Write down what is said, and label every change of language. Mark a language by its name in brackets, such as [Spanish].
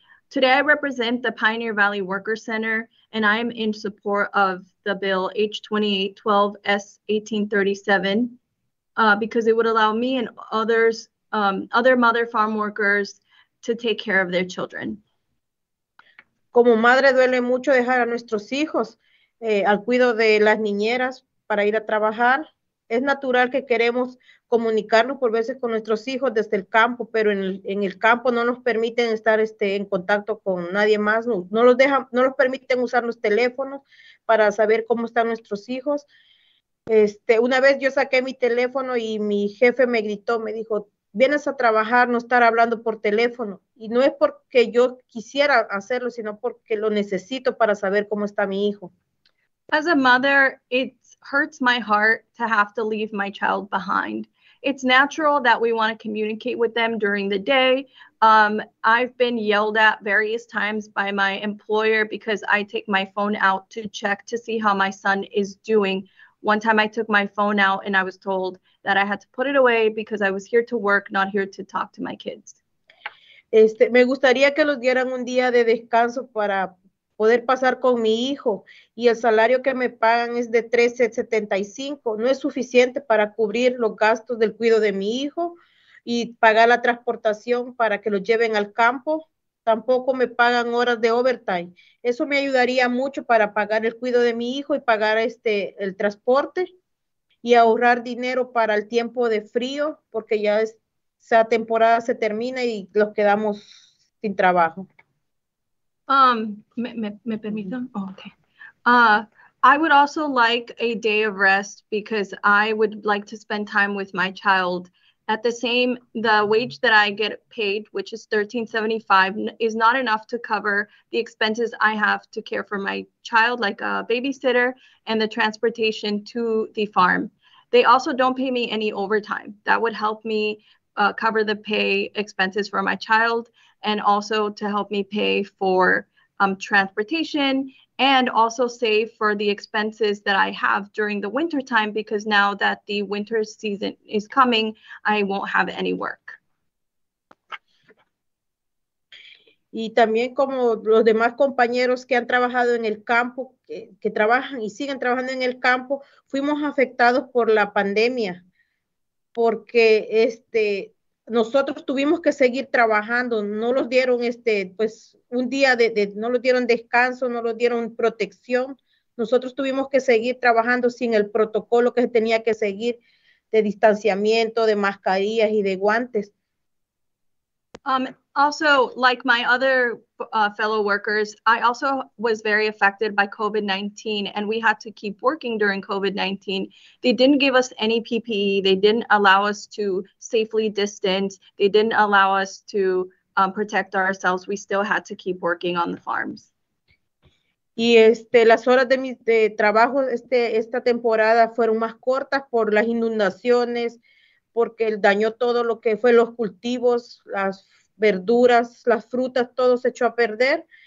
[English] Today, I represent the Pioneer Valley Worker Center, and I'm in support of the bill H-2812 S-1837. Because it would allow me and others, other mother farm workers, to take care of their children. [Spanish] Como madre duele mucho dejar a nuestros hijos al cuidado de las niñeras para ir a trabajar. Es natural que queremos comunicarnos por veces con nuestros hijos desde el campo, pero en el campo no nos permiten estar en contacto con nadie más. No los permiten usar los teléfonos para saber cómo están nuestros hijos. Una vez yo saqué mi teléfono y mi jefe me gritó, me dijo, vienes a trabajar, no estar hablando por teléfono. y no es porque yo quisiera hacerlo, sino porque lo necesito para saber cómo está mi hijo. [English] As a mother, it hurts my heart to have to leave my child behind. It's natural that we want to communicate with them during the day. I've been yelled at various times by my employer because I take my phone out to check to see how my son is doing. One time I took my phone out and I was told that I had to put it away because I was here to work, not here to talk to my kids. [Spanish] Me gustaría que los dieran un día de descanso para poder pasar con mi hijo, y el salario que me pagan es de $13.75. No es suficiente para cubrir los gastos del cuidado de mi hijo y pagar la transportación para que lo lleven al campo. Tampoco me pagan horas de overtime. Eso me ayudaría mucho para pagar el cuidado de mi hijo y pagar el transporte y ahorrar dinero para el tiempo de frío, porque ya esa temporada se termina y los quedamos sin trabajo. Me permito? [English] Oh, okay. I would also like a day of rest because I would like to spend time with my child. At the wage that I get paid, which is $13.75, is not enough to cover the expenses I have to care for my child, like a babysitter, and the transportation to the farm. They also don't pay me any overtime. That would help me cover the pay expenses for my child, and also to help me pay for transportation, and also save for the expenses that I have during the winter time, because now that the winter season is coming, I won't have any work. [Spanish] Y también como los demás compañeros que han trabajado en el campo, que trabajan y siguen trabajando en el campo, fuimos afectados por la pandemia, porque nosotros tuvimos que seguir trabajando, no los dieron pues un día de no los dieron descanso, no los dieron protección. Nosotros tuvimos que seguir trabajando sin el protocolo que tenía que seguir de distanciamiento, de mascarillas y de guantes. [English] Also, like my other fellow workers, I also was very affected by COVID-19, and we had to keep working during COVID-19. They didn't give us any PPE. They didn't allow us to safely distance. They didn't allow us to protect ourselves. We still had to keep working on the farms. [Spanish] Y las horas de mi trabajo esta temporada fueron más cortas por las inundaciones, porque dañó todo lo que fue los cultivos, las verduras, las frutas, todo se echó a perder.